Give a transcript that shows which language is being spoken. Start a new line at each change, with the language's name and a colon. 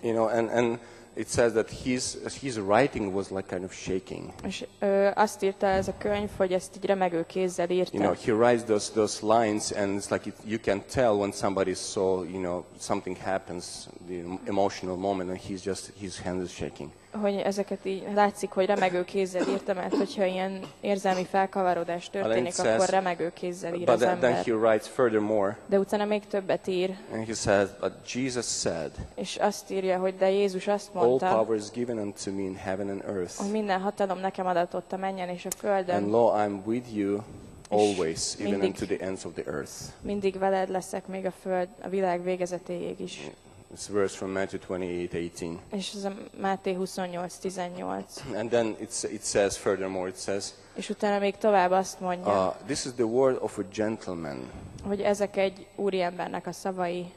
English: You know, and it says that his writing was like kind of shaking.
Hungarian: És azt írta ez a könyv, hogy ezt így remegő kézzel írta.
English: You know, he writes those lines and it's like you can tell when somebody saw, you know, something happens, the emotional moment, and his hand is shaking.
Hungarian: Hogy ezeket így látszik, hogy remegő kézzel írta, mert hogyha ilyen érzelmi felkavarodás történik,
English: says,
Hungarian: akkor remegő kézzel ír
English: but
Hungarian: az ember.
English: Then he writes furthermore,
Hungarian: de utána még többet ír.
English: And he says, but Jesus said,
Hungarian: és azt írja, hogy de Jézus azt mondta,
English: all power is given unto me in heaven and earth,
Hungarian: hogy minden hatalom nekem adatott a mennyen és a földön.
English: And lo, I'm with you always, even unto the ends of the earth.
Hungarian: Mindig veled leszek még a föld, a világ végezetéig is.
English: It's a verse from Matthew 28:18.
Hungarian: És ez a Máté 28:18.
English: And then it says furthermore, it says.
Hungarian: És utána még tovább azt mondja.
English: This is the word of a gentleman.
Hungarian: Hogy ezek egy úriembernek a szavai.